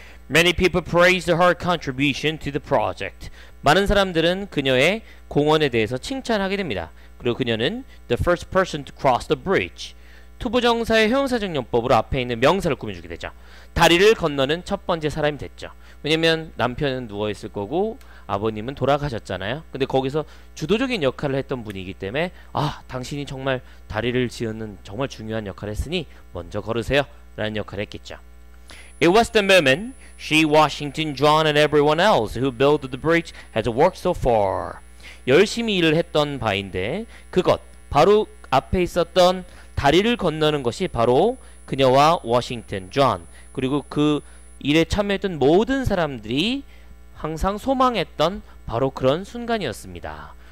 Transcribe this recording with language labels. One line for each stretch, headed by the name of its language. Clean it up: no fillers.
English: Many people praised her contribution to the project.
Korean: 많은 사람들은 그녀의 공헌에 대해서 칭찬하게 됩니다. 그리고 그녀는
English: the first person to cross the bridge.
Korean: 투부정사의 형용사적 용법으로 앞에 있는 명사를 꾸며주게 되죠. 다리를 건너는 첫 번째 사람이 됐죠. 왜냐면 남편은 누워있을 거고 아버님은 돌아가셨잖아요. 근데 거기서 주도적인 역할을 했던 분이기 때문에 아, 당신이 정말 다리를 지으는 정말 중요한 역할을 했으니 먼저 걸으세요 라는 역할을 했겠죠.
English: It was the moment she, Washington, John, and everyone else who built the bridge had worked so far.
Korean: 열심히 일을 했던 바인데 그것, 바로 앞에 있었던 다리를 건너는 것이 바로 그녀와 워싱턴, 존, 그리고 그 일에 참여했던 모든 사람들이 항상 소망했던 바로 그런 순간이었습니다.